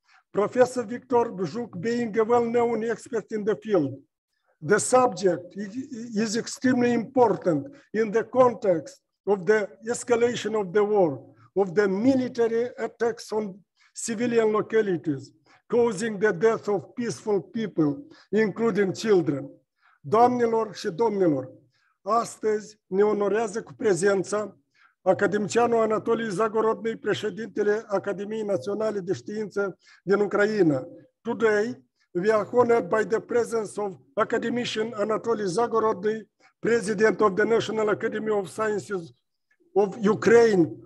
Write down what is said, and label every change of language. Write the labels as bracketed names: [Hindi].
[English] Professor Victor Juc, being a well-known expert in the field, the subject is extremely important in the context of the escalation of the war, of the military attacks on civilian localities, causing the death of peaceful people, including children. [Romanian] Doamnelor și domnilor, astăzi ne onorează cu prezența academicianul Anatolie Zagorodny, președintele Academiei Naționale de Știință din Ucraina. [English] Today, we are honored by the presence of academician Anatolie Zagorodny, president of the National Academy of Sciences of Ukraine.